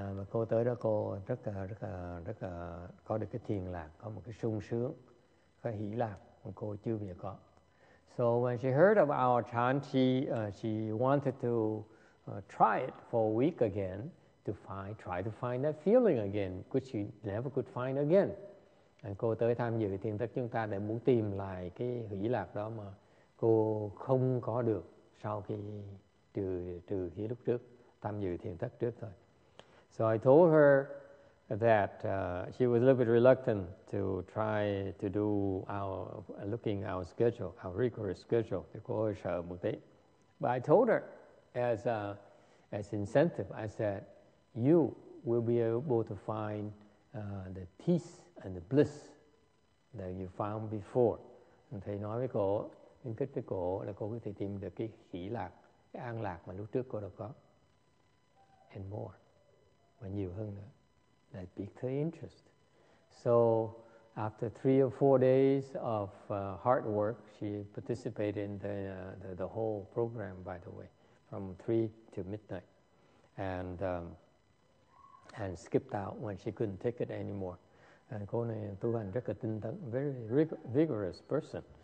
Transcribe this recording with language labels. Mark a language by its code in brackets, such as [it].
[vi] Cô tới đó cô rất là có được cái thiền lạc, có một cái sung sướng, cái hỷ lạc mà cô chưa bao giờ có. [en] So when she heard of our chanchi, she wanted to try it for a week again to try to find that feeling again, which she never could find again. [vi] Cô tới tham dự thiền thất chúng ta để muốn tìm lại cái hỷ lạc đó mà cô không có được sau khi trừ khi lúc trước tham dự thiền thất trước thôi. [en] So I told her that she was a little bit reluctant to try to do looking our schedule, our rigorous schedule. [vi] Thì cô hơi sợ một tí. [en] But I told her as incentive, I said, you will be able to find the peace and the bliss that you found before. [vi] Thầy nói với cô, khuyến khích với cô là cô có thể tìm được cái hỷ lạc, cái an lạc mà lúc trước cô đã có. [en] And more. [vi] Và nhiều hơn nữa. [en] That piqued her interest. So after 3 or 4 days of hard work, she participated in the whole program, by the way, from 3 to midnight. And skipped out when she couldn't take it anymore. [vi] And cô này tu hành rất là tinh tấn, [en] very vigorous person.